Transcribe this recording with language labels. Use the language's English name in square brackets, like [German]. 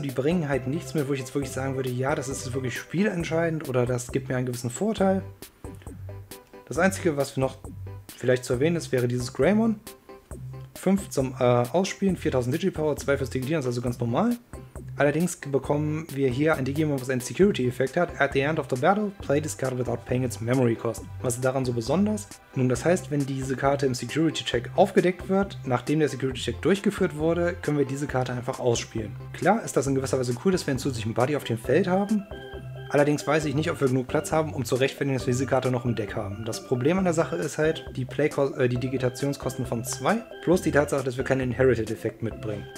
[German] Die bringen halt nichts mehr, wo ich jetzt wirklich sagen würde, ja, das ist wirklich spielentscheidend oder das gibt mir einen gewissen Vorteil. Das Einzige, was wir noch vielleicht zu erwähnen ist, wäre dieses Greymon. 5 zum Ausspielen, 4000 Digipower, 2 fürs Digitieren, das ist also ganz normal. Allerdings bekommen wir hier ein Digimon, was einen Security-Effekt hat. [English] At the end of the battle, play this card without paying its memory cost. [German] Was ist daran so besonders? Nun, das heißt, wenn diese Karte im Security-Check aufgedeckt wird, nachdem der Security-Check durchgeführt wurde, können wir diese Karte einfach ausspielen. Klar ist das in gewisser Weise cool, dass wir einen zusätzlichen Buddy auf dem Feld haben. Allerdings weiß ich nicht, ob wir genug Platz haben, um zu rechtfertigen, dass wir diese Karte noch im Deck haben. Das Problem an der Sache ist halt die Digitationskosten von 2 plus die Tatsache, dass wir keinen Inherited-Effekt mitbringen.